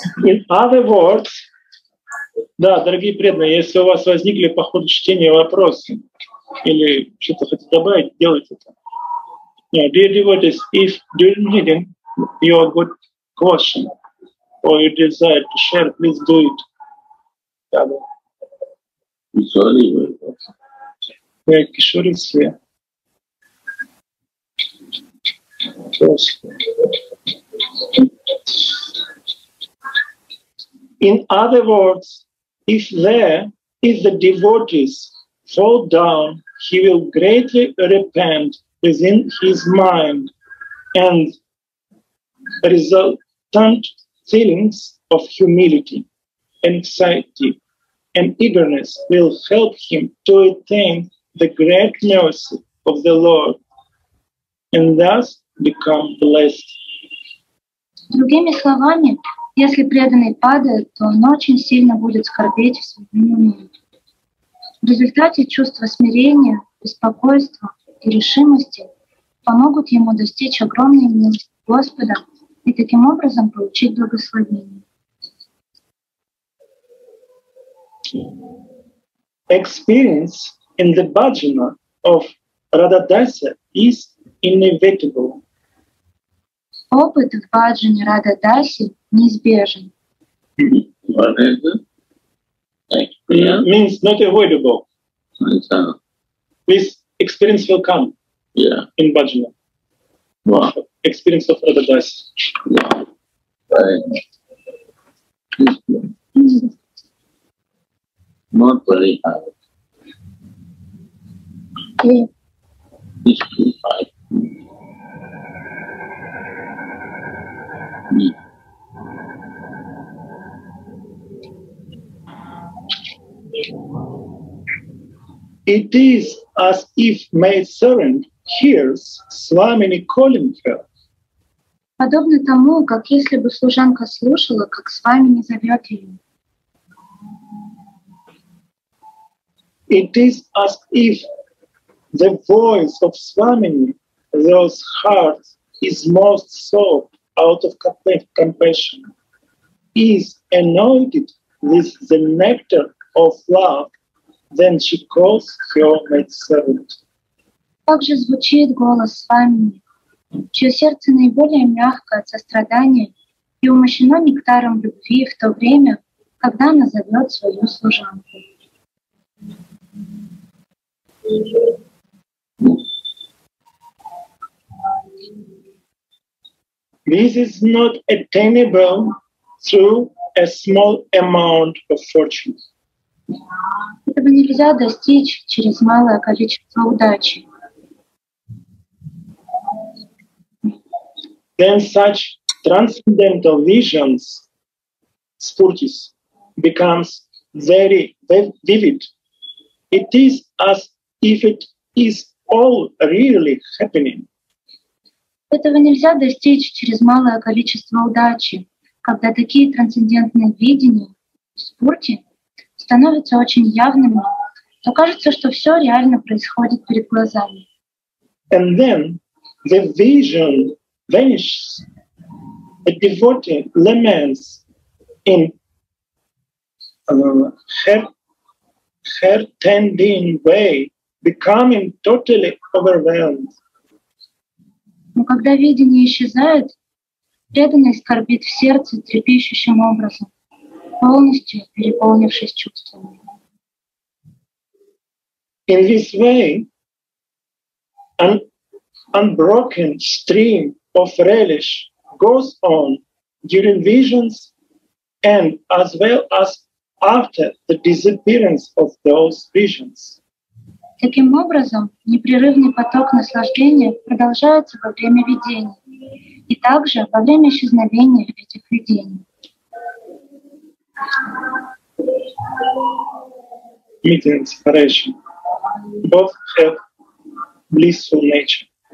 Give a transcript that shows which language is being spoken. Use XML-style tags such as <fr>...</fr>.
<en>In other words,</en> <ru>да, дорогие преданные, если у вас возникли по ходу чтения вопросы или что-то хотите добавить, делайте это.</ru> <en>Yeah, dear devotees, if during reading you have got question or you desire to share, please do it. Kishori will be. Yeah, Kishori is here. In other words, if there is the devotees fall down, he will greatly repent within his mind, and resultant feelings of humility, anxiety, and eagerness will help him to attain the great mercy of the Lord, and thus become blessed.</en> <ru>Другими словами, если преданный падает, то он очень сильно будет скорбеть в своем уме. В результате чувства смирения, беспокойства и решимости помогут ему достичь огромной милости Господа и таким образом получить благословение.</ru> <en>Experience in the bhajana of Radha-dasa is inevitable.</en> <ru>Опыт в бхаджане Радха-даси неизбежен.</ru> <en>What is it? Experience? Means not avoidable. This experience will come. Yeah. In bhajana. What? Experience of Radha-dasi. Yeah. Not very hard. Okay. It's too hard. It is as if maidservant hears Swamini calling her.</en> <ru>Подобно тому, как если бы служанка слушала, как Свамини зовет ее.</ru> <en>It is as if the voice of Swamini, whose heart is most soft out of compassion, is anointed with the nectar of love, then she calls her maidservant.</en> <ru>Так же звучит голос Свамини, чье сердце наиболее мягкое от сострадания и умощено нектаром любви в то время, когда она зовет свою служанку.</ru> <en>This is not attainable through a small amount of fortune.</en> <ru>Этого нельзя достичь через малое количество удачи.</ru> <en>Then such transcendental visions, spurtis, becomes very vivid. It is as if it is all really happening.</en> <ru>Этого нельзя достичь через малое количество удачи, когда такие трансцендентные видения в спурте становятся очень явными, то кажется, что все реально происходит перед глазами.</ru> <en>And then the vision vanishes. A devotee laments in heart-tending way, becoming totally overwhelmed.</en> <ru>Но когда видение исчезает, преданный скорбит в сердце трепещущим образом, полностью переполнившись чувствами.</ru> <en>In this way, an unbroken stream of relish goes on during visions and as well as after the disappearance of those visions.</en> <ru>Таким образом, непрерывный поток наслаждения продолжается во время видений и также во время исчезновения этих видений.</ru> <en>Meeting inspiration. Both have blissful nature.</en>